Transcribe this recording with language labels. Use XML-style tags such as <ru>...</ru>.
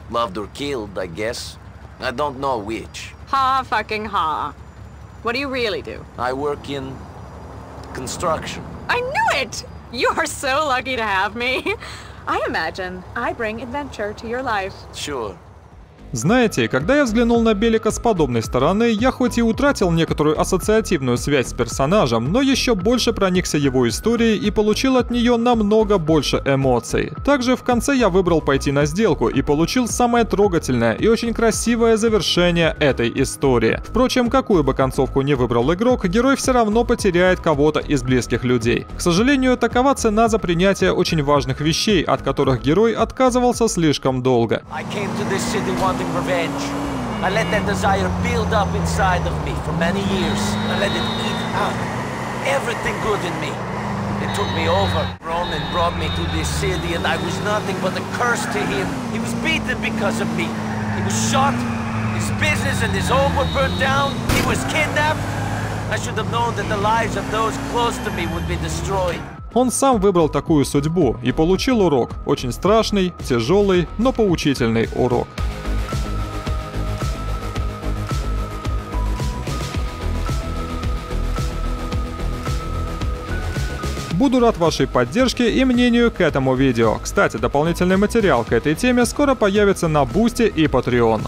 <en>Loved or killed, I guess. I don't know which. Ha fucking ha. What do you really do? I work in construction. I knew it! You are so lucky to have me. I imagine I bring adventure to your life. Sure.</en> <ru>Знаете, когда я взглянул на Белика с подобной стороны, я хоть и утратил некоторую ассоциативную связь с персонажем, но еще больше проникся его историей и получил от нее намного больше эмоций. Также в конце я выбрал пойти на сделку и получил самое трогательное и очень красивое завершение этой истории. Впрочем, какую бы концовку ни выбрал игрок, герой все равно потеряет кого-то из близких людей. К сожалению, такова цена за принятие очень важных вещей, от которых герой отказывался слишком долго.</ru> <en>Revenge. I let that desire build up inside of me for many years. I let it eat out everything good in me. It took me over. Ronan brought me to this city and I was nothing but a curse to him. He was beaten because of me. He was shot. His business and his home were burnt down. He was kidnapped. I should have known that the lives of those close to me would be destroyed.</en> <ru>Он сам выбрал такую судьбу и получил урок. Очень страшный, тяжелый, но поучительный урок. Буду рад вашей поддержке и мнению к этому видео. Кстати, дополнительный материал к этой теме скоро появится на Boosty и Patreon.</ru>